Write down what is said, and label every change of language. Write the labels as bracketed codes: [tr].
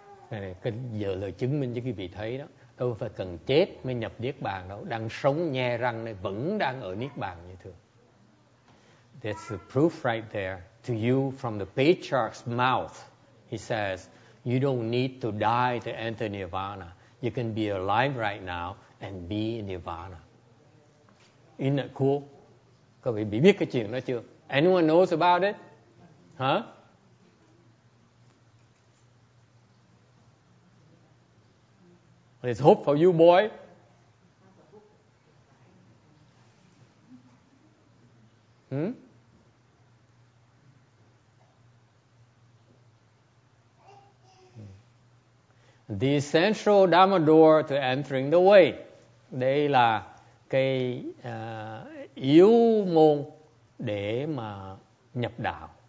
[vi] Cái này cái giờ là chứng minh cho quý vị thấy đó. Đâu phải cần chết mới nhập Niết Bàn đâu. Đang sống nhe răng này vẫn đang ở Niết Bàn như thường. [en] That's the proof right there to you from the patriarch's mouth. He says, you don't need to die to enter Nirvana. You can be alive right now and be in Nirvana. Isn't that cool? [vi] Các vị biết cái chuyện đó chưa? [en] Anyone knows about it? Huh? There's hope for you, boy. The essential Dhamma door to entering the way. [vi] Đây là cái yếu môn để mà nhập đạo.